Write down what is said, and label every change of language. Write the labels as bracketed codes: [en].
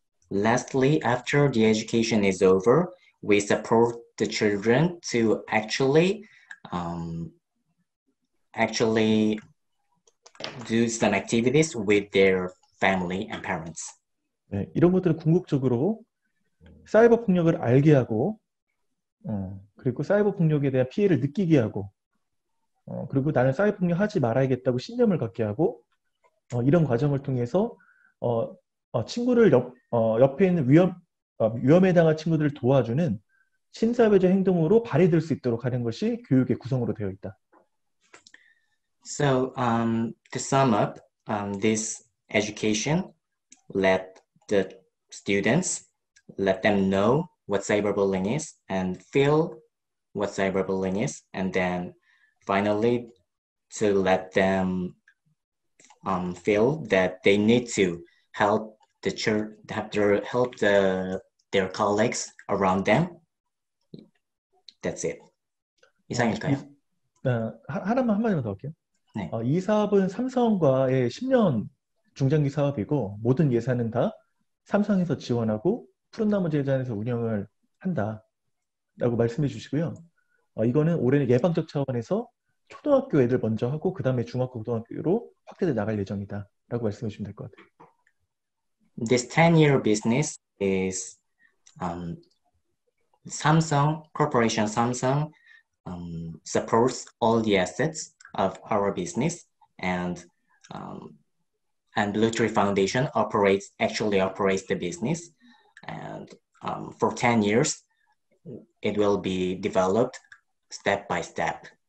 [en] Lastly, after the education is over, we support the children to actually do some activities with their family and parents. [ko] 네, 이런 것들은 궁극적으로 사이버 폭력을 알게 하고 그리고 사이버 폭력에 대한 피해를 느끼게 하고 그리고 나는 사이버폭력 하지 말아야겠다고 신념을 갖게 하고 이런 과정을 통해서 친구를 옆에 있는 위험에 해당한 친구들을 도와주는 친사회적 행동으로 발휘될 수 있도록 하는 것이 교육의 구성으로 되어 있다. [en] So to sum up, this education let the students let them know what cyberbullying is and feel what cyberbullying is, and then finally to let them feel that they need to help the church, have to help the their colleagues around them. That's it. [ko] 이상일까요? 하나만 한 마디만 더 할게요. 네. 이 사업은 삼성과의 10년 중장기 사업이고 모든 예산은 다 삼성에서 지원하고 푸른나무 재단에서 운영을 한다라고 말씀해 주시고요. 이거는 올해는 예방적 차원에서 초등학교 애들 먼저 하고 그 다음에 중학교, 고등학교로 확대돼 나갈 예정이다 라고 말씀해 주시면 될 것 같아요. [en] This 10-year business is Samsung, Corporation Samsung supports all the assets of our business, and Blue Tree Foundation operates the business, and for 10 years it will be developed step by step.